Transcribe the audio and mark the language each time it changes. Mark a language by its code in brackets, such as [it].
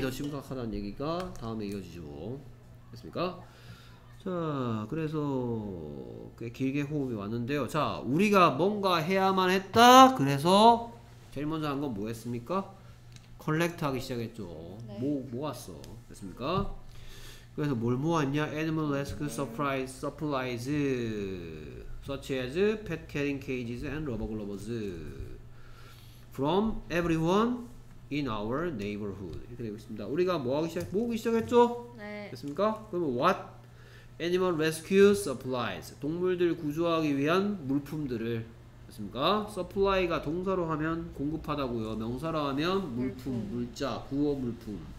[ko] 더 심각하다는 얘기가 다음에 이어지죠. 됐습니까? 자, 그래서 꽤 길게 호흡이 왔는데요. 자, 우리가 뭔가 해야만 했다? 그래서 제일 먼저 한 건 뭐 했습니까? 컬렉트 하기 시작했죠. 네. 모았어. 됐습니까? 그래서 뭘 모았냐? [en] Animal rescue surprise supplies such as pet caring cages and rubber gloves from everyone in our neighborhood. [ko] 이렇게 되고 있습니다. 우리가 뭐 하기 시작, 모으기 시작했죠? 네. 됐습니까? 그러면 [en] what? Animal rescue supplies. [ko] 동물들을 구조하기 위한 물품들을. 됐습니까? Supply가 동사로 하면 공급하다고요. 명사로 하면 물품, 물자, 구호 물품.